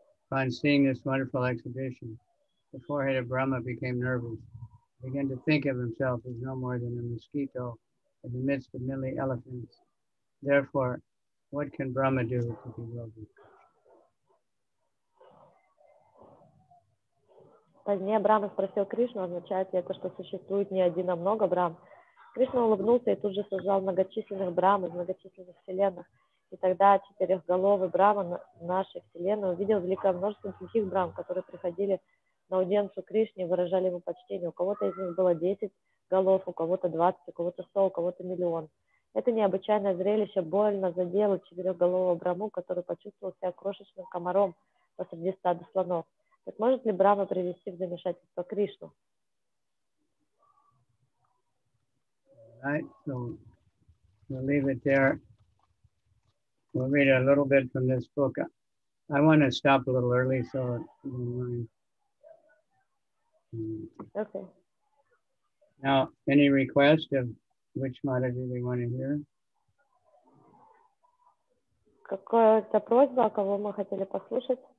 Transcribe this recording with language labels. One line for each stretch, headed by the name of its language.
English: Upon seeing this wonderful exhibition, the four-headed Brahma became nervous, began to think of himself as no more than a mosquito in the midst of many elephants. Therefore, what can Brahma do to be worthy?
Russian: Позднее Брахма спросил Кришну, означает ли это, что существует не один, а много Брахм. Кришна улыбнулся и тут же создал многочисленных брам из многочисленных вселенных. И тогда четырехголовый брама нашей вселенной увидел великое множество других брам, которые приходили на аудиенцию Кришне и выражали ему почтение. У кого-то из них было 10 голов, у кого-то 20, у кого-то 100, у кого-то миллион. Это необычайное зрелище больно задело четырехголового Брахму, который почувствовал себя крошечным комаром посреди стада слонов. Так может ли Брахма привести в замешательство Кришну?
English: Right, so we'll leave it there. We'll read a little bit from this book. I want to stop a little early, so I don't mind. Okay. Now, any request of which mantra do they want to hear?
Russian: Какая-то просьба, кого мы хотели послушать?